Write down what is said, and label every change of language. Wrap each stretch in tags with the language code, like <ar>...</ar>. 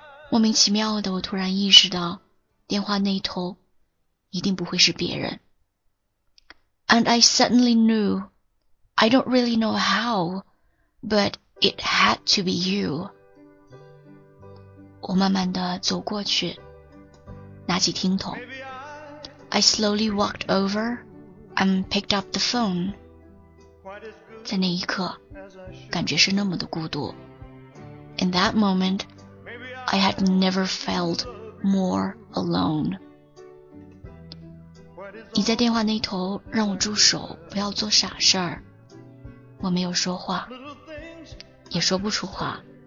<zh>莫名其妙的，我突然意识到，电话那头一定不会是别人。</zh> <en>And I suddenly knew. I don't really know how, but it had to be you.</en> <zh>我慢慢地走过去，拿起听筒。</zh> <en>I slowly walked over and picked up the phone.</en> <zh>在那一刻，感觉是那么的孤独。</zh> <en>In that moment, I had never felt more alone.</en> <zh>你在电话那头让我住手，不要做傻事儿。我没有说话，也说不出话。</zh>